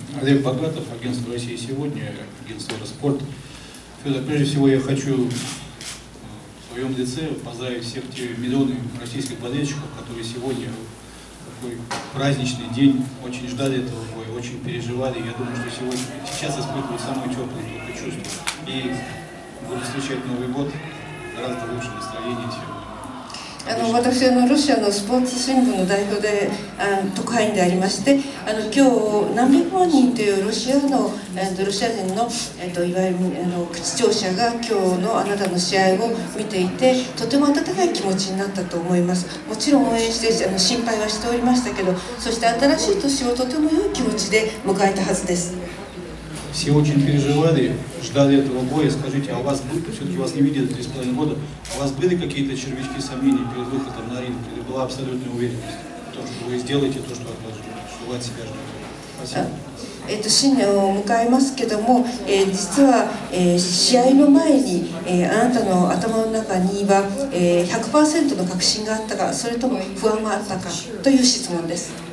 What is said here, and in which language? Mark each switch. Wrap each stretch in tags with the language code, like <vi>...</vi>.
<ru>Олег Богатов, агентство России сегодня, агентство Роспорт. Федор, прежде всего я хочу в своем лице поздравить всех те миллионы российских болельщиков, которые сегодня такой праздничный день очень ждали этого боя, очень переживали. Я думаю, что сейчас испытывают самые теплые чувства. И будут встречать Новый год гораздо лучше настроение, чем.</ru> <ja>私はロシアのスポーツ新聞の代表で特派員でありまして今日何百万人というロシアのロシア人のいわゆる視聴者が今日のあなたの試合を見ていてとても温かい気持ちになったと思います。もちろん応援して心配はしておりましたけどそして新しい年をとても良い気持ちで迎えたはずです。</ja> <ru>Все очень переживали, ждали этого боя. Скажите, а у вас были, все-таки вас не видели 3,5 года, а у вас были какие-то червячки сомнений перед выходом на ринг? Или была абсолютная уверенность в том, что вы сделаете то, что от вас ждут, что вы от себя ждете? Спасибо.</ru> <ja>新年を迎えますけども、実は、試合の前に、あなたの頭の中には、100% の確信があったか、それとも不安があったかという質問です。</ja>